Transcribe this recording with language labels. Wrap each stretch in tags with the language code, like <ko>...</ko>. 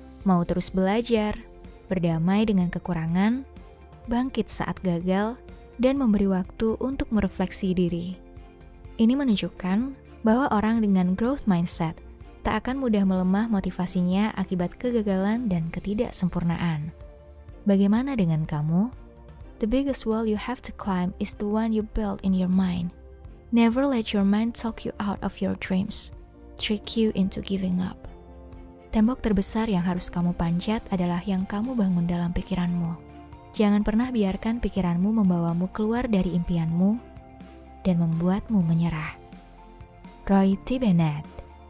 <id>Mau terus belajar, berdamai dengan kekurangan, bangkit saat gagal, dan memberi waktu untuk merefleksi diri. Ini menunjukkan bahwa orang dengan growth mindset tak akan mudah melemah motivasinya akibat kegagalan dan ketidaksempurnaan. Bagaimana dengan kamu?</id> <en>The biggest wall you have to climb is the one you build in your mind. Never let your mind talk you out of your dreams, trick you into giving up.</en> <id>Tembok terbesar yang harus kamu panjat adalah yang kamu bangun dalam pikiranmu. Jangan pernah biarkan pikiranmu membawamu keluar dari impianmu dan membuatmu menyerah. Roy T. Bennett.</id>